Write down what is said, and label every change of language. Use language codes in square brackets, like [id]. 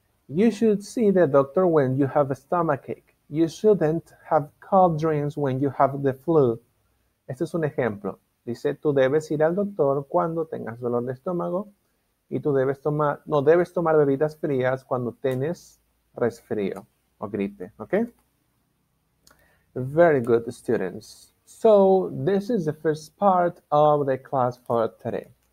[en] You should see the doctor when you have a stomachache. You shouldn't have cold drinks when you have the flu. [es] Este es un ejemplo. Dice, tú debes ir al doctor cuando tengas dolor de estómago y tú debes tomar, no debes tomar bebidas frías cuando tienes resfrío o gripe, ¿ok? [en] Very good, students. So, this is the first part of the class for today.